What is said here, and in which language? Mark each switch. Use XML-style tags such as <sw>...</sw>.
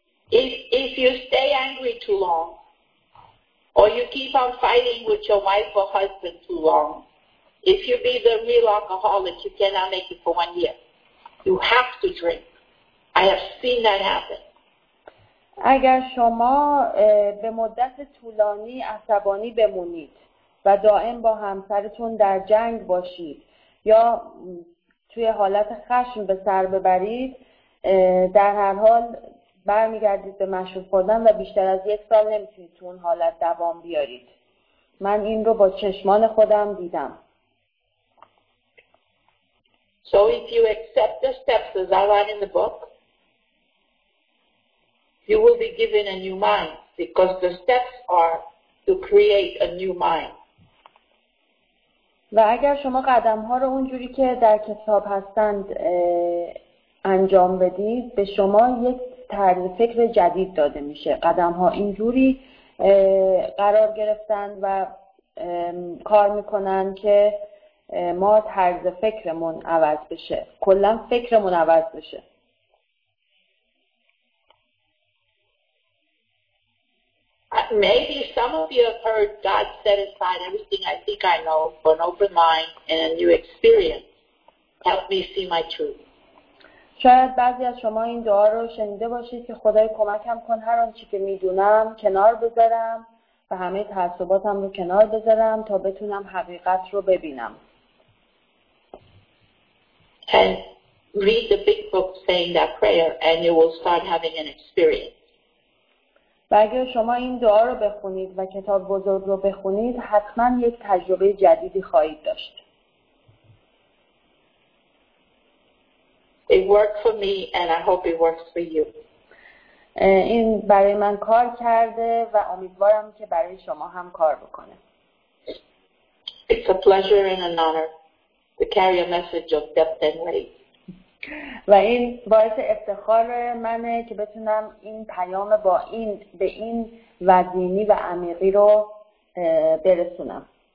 <en>If you stay angry too long, or you keep on fighting with your wife or husband too long, if you be the real alcoholic, you cannot make it for 1 year. You have to drink. I have seen that happen.</en> <fa>اگر شما به مدت طولانی عصبانی بمونید و دائم با همسرتون در جنگ باشید یا توی حالت خشم به سر ببرید، در هر حال برمیگردید به مشروب خوردن و بیشتر از یک سال نمیتونید تو اون حالت دوام بیارید. من این رو با چشمان خودم دیدم.</fa> <en>So if you accept the steps as outlined in the book, you will be given a new mind because the steps are to create a new mind.</en> <fa>و اگر شما قدم ها رو اونجوری که در کتاب هستند انجام بدید، به شما یک طرز فکر جدید داده میشه. قدم ها اینجوری قرار گرفتن و کار میکنن که ما طرز فکرمون عوض بشه، کلا فکرمون عوض بشه.</fa> <en>Maybe some of you have heard God set aside everything I think I know for an open mind and a new experience. Help me see my truth.</en> <fa>شاید بعضی از شما این دعا رو شنیده باشید که خدای کمکم کن هر آنچه که میدونم کنار بذارم و همه تعصباتم رو کنار بذارم تا بتونم حقیقت رو ببینم.</fa> <en>And read the big book saying that prayer and you will start having an experience.</en> <fa>و اگر شما این دعا رو بخونید و کتاب بزرگ رو بخونید، حتما یک تجربه جدیدی خواهید داشت.</fa> <en>It worked for me and I hope it works for you.</en> <fa>این برای من کار کرده و امیدوارم که برای شما هم کار بکنه.</fa> <en>It's a pleasure and an honor to carry a message of depth and</en> <fa>و این باعث افتخار منه که بتونم این پیام با این به این وزینی و عمیقی رو برسونم.</fa>